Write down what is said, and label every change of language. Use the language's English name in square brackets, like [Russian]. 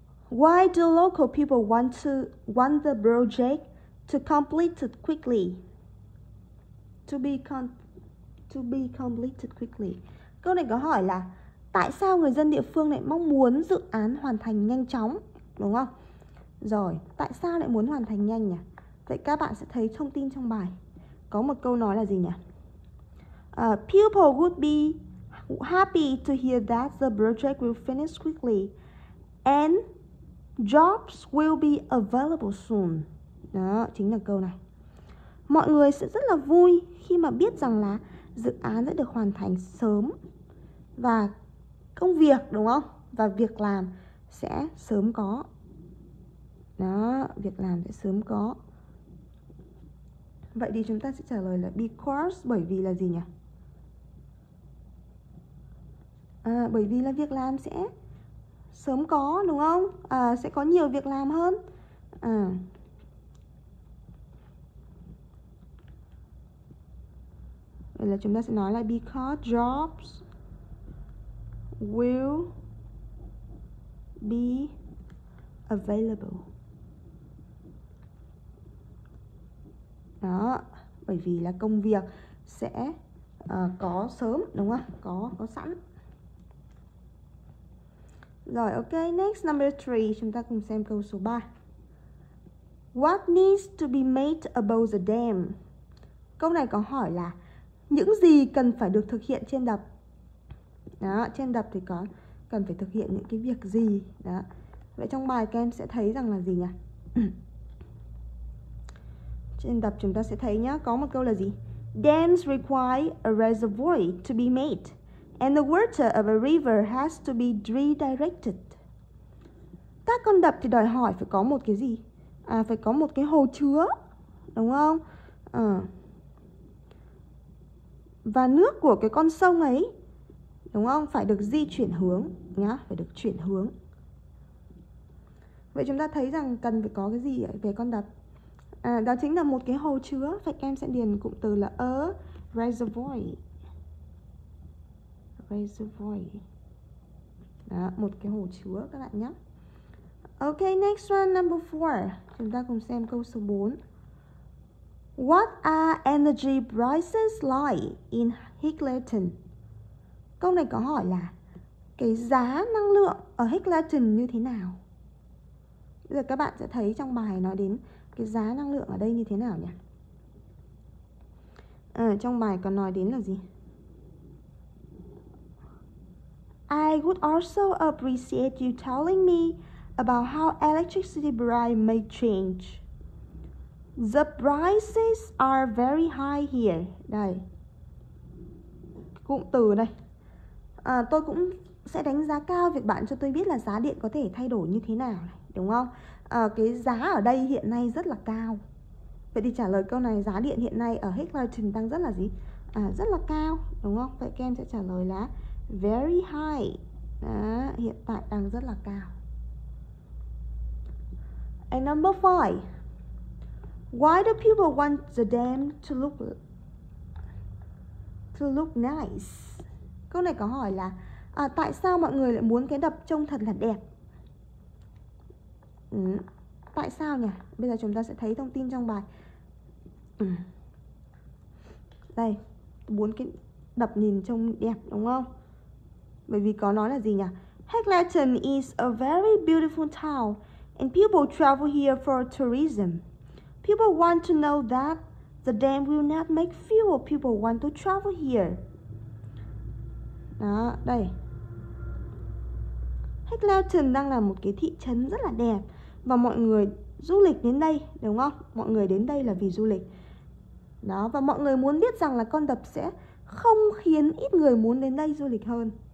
[English] Why do local people want the project to complete it quickly? To be completed quickly. [Vietnamese] Câu này có hỏi là tại sao người dân địa phương lại mong muốn dự án hoàn thành nhanh chóng, đúng không? Rồi, tại sao lại muốn hoàn thành nhanh nhỉ? Vậy các bạn sẽ thấy thông tin trong bài có một câu nói là gì nhỉ? [English] People would be happy to hear that the project will finish quickly and jobs will be available soon. [Vietnamese] Đó, chính là câu này. Mọi người sẽ rất là vui khi mà biết rằng là dự án sẽ được hoàn thành sớm và công việc, đúng không? Và việc làm sẽ sớm có. Đó, việc làm sẽ sớm có. Vậy thì chúng ta sẽ trả lời là because, bởi vì là gì nhỉ? Bởi vì là việc làm sẽ sớm có, đúng không? Sẽ có nhiều việc làm hơn. Vậy là chúng ta sẽ nói là [English] because jobs will be available. [Vietnamese] Đó, bởi vì là công việc sẽ có sớm, đúng không? Có sẵn. Rồi, [English] ok, next number 3, [Vietnamese] chúng ta cùng xem câu số 3. [English] What needs to be made about the dam? [Vietnamese] Câu này có hỏi là những gì cần phải được thực hiện trên đập? Đó, trên đập thì có cần phải thực hiện những cái việc gì? Đó. Vậy trong bài các em sẽ thấy rằng là gì nhỉ? Trên đập chúng ta sẽ thấy nhá, có một câu là gì? [English] Dams require a reservoir to be made. And the water of a river has to be redirected. [Vietnamese] Các con đập thì đòi hỏi phải có một cái gì? Phải có một cái hồ chứa, đúng không? Và nước của cái con sông ấy đúng không? Phải được di chuyển hướng nhá, phải được chuyển hướng. Vậy chúng ta thấy rằng cần phải có cái gì về con đập? À, đó chính là một cái hồ chứa. Vậy em sẽ điền cụm từ là a reservoir. Reservoir. Đó, một cái hồ chứa các bạn nhé. [English] Ok, next one, number 4. [Vietnamese] Chúng ta cùng xem câu số 4. [English] What are energy prices like in Hickleton? [Vietnamese] Câu này có hỏi là cái giá năng lượng ở Hickleton như thế nào? Bây giờ các bạn sẽ thấy trong bài nói đến cái giá năng lượng ở đây như thế nào nhỉ? À, trong bài còn nói đến là gì? [English] I would also appreciate you telling me about how electricity price may change. The prices are very high here. [Vietnamese] Đây. Cụm từ đây. À, tôi cũng sẽ đánh giá cao việc bạn cho tôi biết là giá điện có thể thay đổi như thế nào này, đúng không? À, cái giá ở đây hiện nay rất là cao. Vậy thì trả lời câu này, giá điện hiện nay ở Hickleton đang rất là gì? À, rất là cao, đúng không? Vậy Ken sẽ trả lời là [English] very high. [Vietnamese] Đó, hiện tại đang rất là cao. [English] And number 5. Why do people want the dam to look nice? [Vietnamese] Câu này có hỏi là tại sao mọi người lại muốn cái đập trông thật là đẹp? Tại sao nhỉ? Bây giờ chúng ta sẽ thấy thông tin trong bài. Đây, muốn cái đập nhìn trông đẹp đúng không? Bởi vì có nói là gì nhỉ? [English] Hickleton is a very beautiful town and people travel here for tourism. People want to know that the dam will not make fewer people want to travel here. [Vietnamese] Đó, đây. Hickleton đang là một cái thị trấn rất là đẹp và mọi người du lịch đến đây, đúng không? Mọi người đến đây là vì du lịch. Đó, và mọi người muốn biết rằng là con đập sẽ không khiến ít người muốn đến đây du lịch hơn.